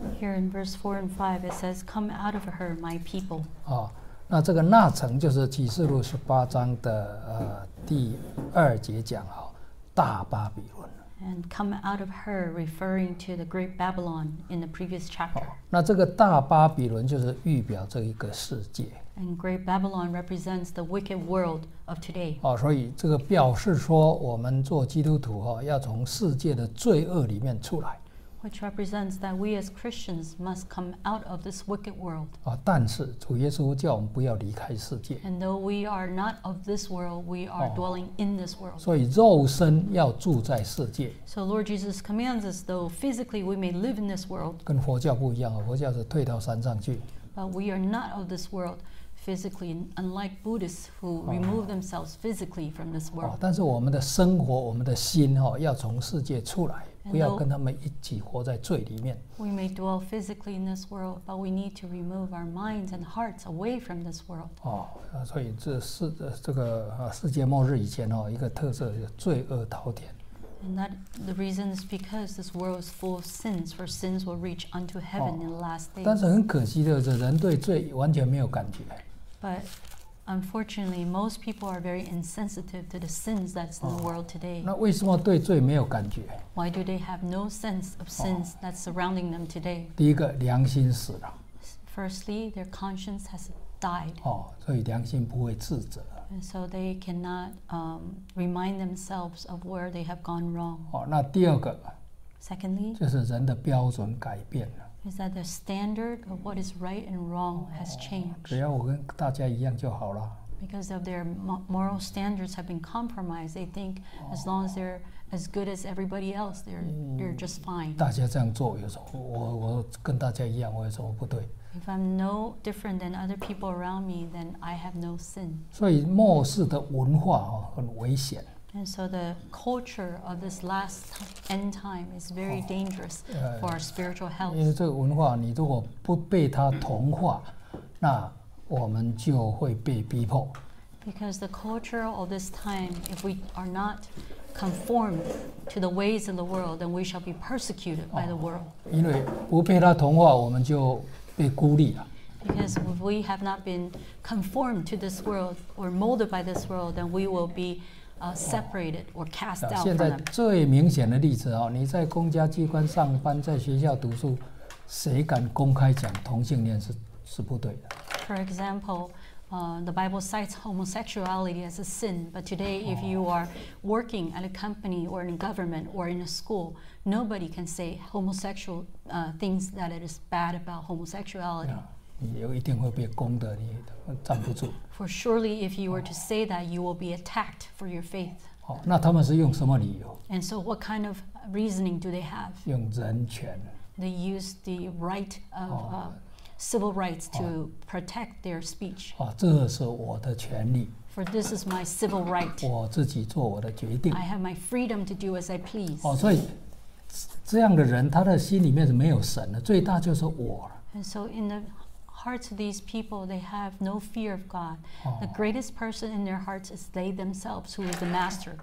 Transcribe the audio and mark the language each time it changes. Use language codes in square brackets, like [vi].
[en] Here in verse 4 and 5, it says, Come out of her, my people.、 [zh] 那这个那城就是启示录十八章的、第二节讲、大巴比伦。 [en] And come out of her, referring to the great Babylon in the previous chapter.、 [zh] 那这个大巴比伦就是预表这一个世界。 [en] And Great Babylon represents the wicked world of today. [zh] 所以这个表示说我们做基督徒、要从世界的罪恶里面出来。 [en] Which represents that we as Christians must come out of this wicked world. [zh] 但是主耶稣叫我们不要离开世界。 [en] And though we are not of this world, we are dwelling in this world. [zh] 所以肉身要住在世界。 [en] So Lord Jesus commands us, though physically we may live in this world. [zh] 跟佛教不一样、佛教是退到山上去。 [en] But we are not of this world. Physically, unlike Buddhists who remove themselves physically from this world. [zh] 但是我们的生活，我们的心、要从世界出来，不要跟他们一起活在罪里面。 [en] We may dwell physically in this world, but we need to remove our minds and hearts away from this world. [zh] 所以这是这个、世界末日以前、一个特色，罪恶滔天。 [en] And that the reason is because this world is full of sins, for sins will reach unto heaven in the last days. [zh] 但是很可惜的是，人对罪完全没有感觉。 [en] But unfortunately, most people are very insensitive to the sins that's in the world today. [zh] 那为什么对罪没有感觉？ [en] Why do they have no sense of sins that's surrounding them today? [zh] 第一个，良心死了。 [en] Firstly, their conscience has died. [zh] 所以良心不会自责。 [en] And so they cannot remind themselves of where they have gone wrong. [zh] 那第二个。 [en] Secondly, [zh] 就是人的标准改变了。 [en] Is that the standard of what is right and wrong has changed? [zh] 只要我跟大家一样就好了。 [en] Because of their moral standards have been compromised, they think as long as they're as good as everybody else, they're just fine. [zh] 大家这样做，有时候我跟大家一样，我有什么不对？ [en] If I'm no different than other people around me, then I have no sin. [zh] 所以末世的文化很危险。 [en] And so the culture of this last end time is very dangerous for our spiritual health. [zh] 因为这个文化，你如果不被它同化，那我们就会被逼迫。 [en] Because the culture of this time, if we are not conformed to the ways of the world, then we shall be persecuted by the world. [zh] 因为不被他同化，我们就被孤立了。 [en] Because if we have not been conformed to this world or molded by this world, then we will be separated or cast out from them. [zh] 现在最明显的例子哦，你在公家机关上班，在学校读书，谁敢公开讲同性恋是不对的？ [en] For example, the Bible cites homosexuality as a sin. But today, if you are working at a company or in government or in a school, nobody can say homosexual things that it is bad about homosexuality. Yeah. [zh] 你有一定会被攻的，你站不住。 [en] For surely, if you were to say that, you will be attacked for your faith. [zh] 好，那他们是用什么理由 [en] ？And so, what kind of reasoning do they have? [zh] 用人权。 [en] They use the right of civil rights to protect their speech. [zh] 啊，这是我的权利。 [en] For this is my civil right. [zh] 我自己做我的决定。 [en] I have my freedom to do as I please. [zh] 哦，所以这样的人，他的心里面是没有神的，最大就是我。 [en] And so in the hearts of these people, they have no fear of God. The greatest person in their hearts is they themselves, who is the master.